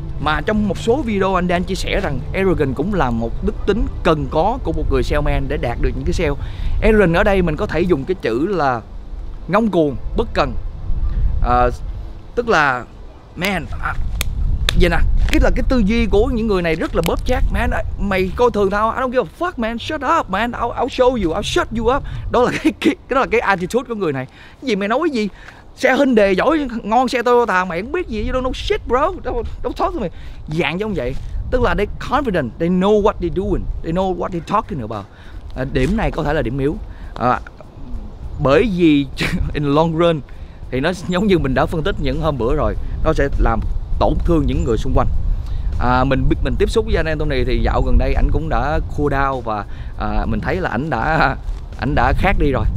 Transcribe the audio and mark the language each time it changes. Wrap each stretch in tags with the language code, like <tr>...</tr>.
<vi>Mà trong một số video anh Dan chia sẻ rằng arrogant cũng là một đức tính cần có của một người salesman để đạt được những cái sale. Arrogant ở đây mình có thể dùng cái chữ là ngông cuồng, bất cần. Tức là man, vậy nè, cái là cái tư duy của những người này rất là bóp chát.</vi> <en>Man,</en> <vi>mày coi thường tao,</vi> <en>I don't give a fuck man, shut up man, I'll show you, I'll shut you up.</en> <vi>Đó là cái đó là cái attitude của người này. Cái gì mày nói cái gì? Xe Hyundai giỏi, ngon xe Toyota, mày không biết gì,</vi> <en>you don't know shit bro, don't talk to me.</en> <vi>Dạng giống vậy. Tức là</vi> <en>they're confident, they know what they're doing, they know what they're talking about.</en> <vi>Điểm này có thể là điểm yếu. Bởi vì</vi> <en>in the long run</en> <vi>thì nó giống như mình đã phân tích những hôm bữa rồi, nó sẽ làm tổn thương những người xung quanh. Mình tiếp xúc với anh Anthony thì dạo gần đây ảnh cũng đã cool down, và mình thấy là ảnh đã khác đi rồi.</vi>